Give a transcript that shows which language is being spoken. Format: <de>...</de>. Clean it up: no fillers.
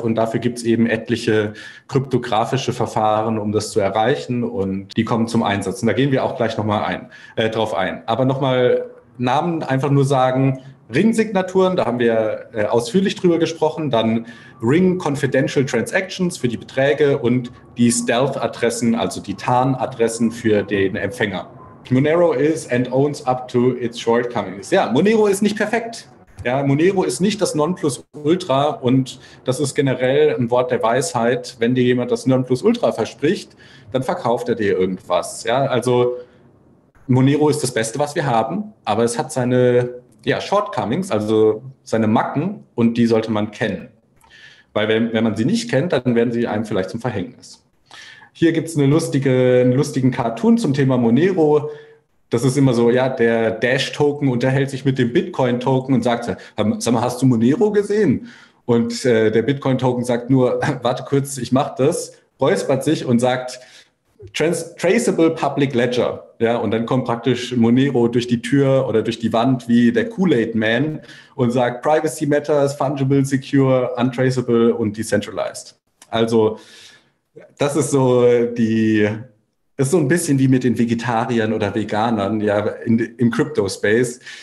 <de>Und dafür gibt es eben etliche kryptografische Verfahren, um das zu erreichen, und die kommen zum Einsatz. Und da gehen wir auch gleich nochmal drauf ein. Aber nochmal Namen einfach nur sagen, Ring-Signaturen, da haben wir ausführlich drüber gesprochen, dann Ring-Confidential Transactions für die Beträge und die Stealth-Adressen, also die Tarn-Adressen für den Empfänger.</de> <en>Monero is and owns up to its shortcomings.</en> <de>Ja, Monero ist nicht perfekt. Ja, Monero ist nicht das Nonplusultra, und das ist generell ein Wort der Weisheit. Wenn dir jemand das Nonplusultra verspricht, dann verkauft er dir irgendwas. Ja, also Monero ist das Beste, was wir haben, aber es hat seine Shortcomings, also seine Macken, und die sollte man kennen. Weil wenn man sie nicht kennt, dann werden sie einem vielleicht zum Verhängnis. Hier gibt es einen lustigen Cartoon zum Thema Monero. Das ist immer so, ja, der Dash-Token unterhält sich mit dem Bitcoin-Token und sagt, sag mal, hast du Monero gesehen? Und der Bitcoin-Token sagt nur, warte kurz, ich mach das, räuspert sich und sagt,</de> <en>Traceable Public Ledger.</en> <de>Ja, und dann kommt praktisch Monero durch die Tür oder durch die Wand wie der Kool-Aid Man und sagt,</de> <en>Privacy matters, fungible, secure, untraceable</en> <de>und decentralized. Also das ist so die, ist so ein bisschen wie mit den Vegetariern oder Veganern, ja, im Crypto-Space.</de>